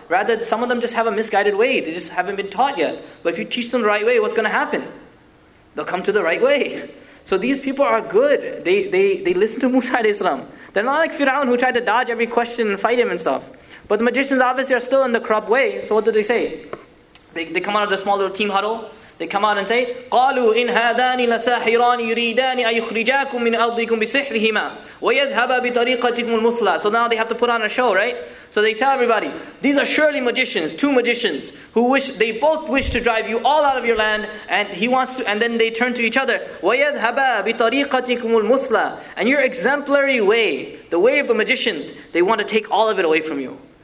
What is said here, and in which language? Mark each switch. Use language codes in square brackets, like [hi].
[en] Rather, some of them just have a misguided way. They just haven't been taught yet. But if you teach them the right way, what's going to happen? They'll come to the right way. So these people are good. They listen to Musa alayhi salam. They're not like Firaun, who tried to dodge every question and fight him and stuff. But the magicians obviously are still in the corrupt way. So what do they say? They come out of the small little team huddle. They come out and say, [ar] قَالُوا إِنْ هَذَانِ لَسَاحِرَانِ يُرِيدَانِ أَيُخْرِجَاكُمْ مِنْ أَرْضِكُمْ بِسِحْرِهِمَا وَيَذْهَبَ بِطَرِيقَتِكُمُ الْمُثْلَى. [en] So now they have to put on a show, right? So they tell everybody, these are surely magicians, two magicians, who both wish to drive you all out of your land, and then they turn to each other, [ar] وَيَذْهَبَا بِطَرِيقَتِكُمُ الْمُثْلَى. [en] And your exemplary way, the way of the magicians, they want to take all of it away from you.